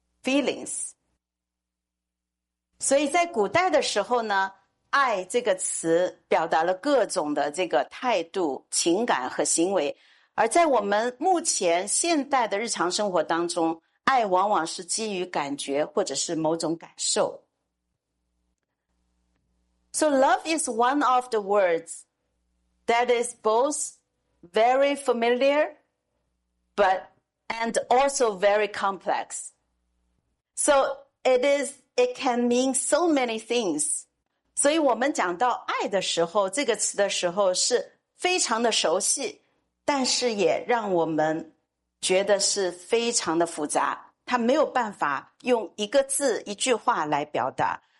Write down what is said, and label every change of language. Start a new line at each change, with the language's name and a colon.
English: Feelings.
Chinese: 所以在古代的时候呢，爱这个词表达了各种的这个态度、情感和行为。而在我们目前现代的日常生活当中，爱往往是基于感觉或者是某种感受。
English: So love is one of the words that is both very familiar but and also very complex. So it can mean so many things.
Chinese: 所以我们讲到爱的时候，这个词的时候是非常的熟悉，但是也让我们觉得是非常的复杂，它没有办法用一个字一句话来表达。